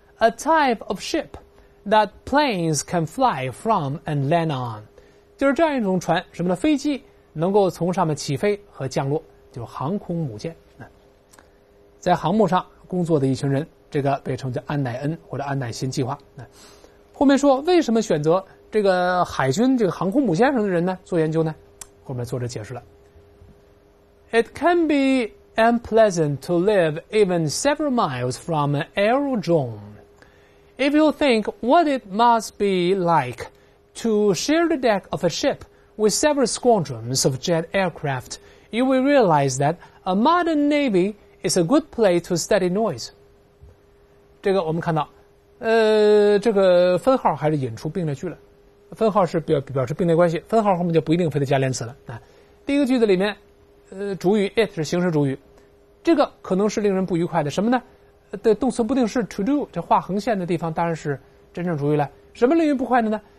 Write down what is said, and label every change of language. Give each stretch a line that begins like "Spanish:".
English: ？A type of ship that planes can fly from and land on，
Chinese: 就是这样一种船，什么呢？飞机能够从上面起飞和降落，就是航空母舰。在航母上工作的一群人，这个被称叫安乃恩或者安乃辛计划。后面说为什么选择这个海军这个航空母舰上的人呢做研究呢？后面作者解释了
English: ，It can be。 Unpleasant to live even several miles from an aerodrome. If you think what it must be like to share the deck of a ship with several squadrons of jet aircraft, you will realize that a modern navy is a good place to study noise.
Chinese: 这个我们看到，这个分号还是引出并列句了。分号是表示并列关系，分号后面就不一定非得加连词了啊。第一个句子里面，主语 it 是形式主语。这个可能是令人不愉快的，什么呢？的动词不定式 to do， 这画横线的地方当然是真正主语了。什么令人不快的呢？